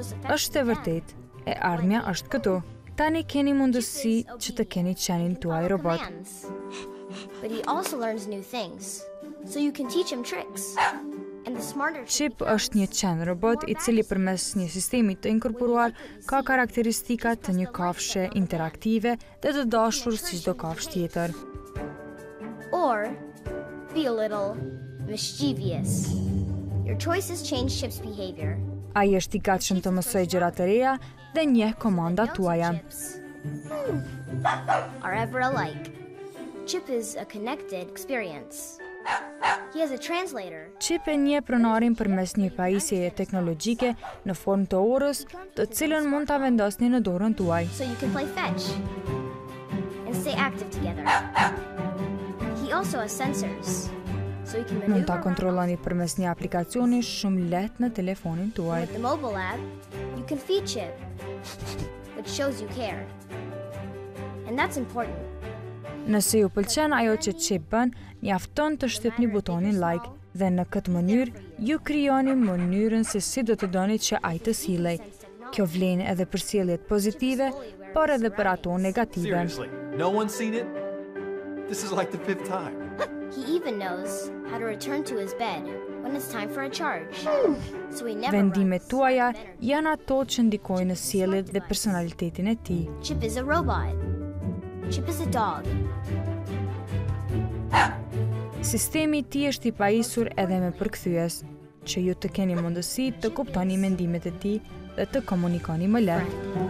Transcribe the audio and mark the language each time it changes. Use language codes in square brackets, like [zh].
[sq] Është e vërtet, e armja është këtu. Tani keni mundësi që të keni qenin tuaj robot. [en] But he also learns new things, so you can teach him tricks. And the smarter [sq] Chip është një qen robot I cili përmes një sistemi të inkorporuar ka karakteristika të një kafshe interaktive dhe të dashur si çdo kafshë tjetër. [en] Or be a little mischievous. Your choices change Chip's behavior. [sq] Ai është I gatshëm të mësoj gjëra të reja dhe njeh komandat tuaja. [en] Are ever alike. Chip is a connected experience. He has a translator. [sq] Chip e njeh pronarin përmes një pajisjeje teknologjike në formë të orës, të cilën mund ta vendosni në dorën tuaj. [en] So you can play fetch and stay active together. He also has sensors. [sq] Mund ta kontrolloni përmes një aplikacioni shumë lehtë në telefonin tuaj. [en] With the mobile app, you can feed Chip, which shows you care. And that's important. [sq] Nëse ju pëlqen ajo që Chip bën, mjafton të shtypni butonin like dhe në këtë mënyrë ju krijoni mënyrën se si do të doni që ai të sillej. Kjo vlen edhe për sjelljet pozitive, por edhe për ato negative. [en] Seriously, no one's seen it? This is like the fifth time. He even knows how to return to his bed when it's time for a charge. So he never [sq] Vendimet tuaja janë ato që ndikojnë në sjelljet dhe personalitetin e tij. [en] Chip is a robot. Chip is a dog. [sq] Sistemi I tij është I pajisur edhe me përkthyes, që ju të keni mundësi të kuptoni mendimet e tij dhe të komunikoni më lehtë.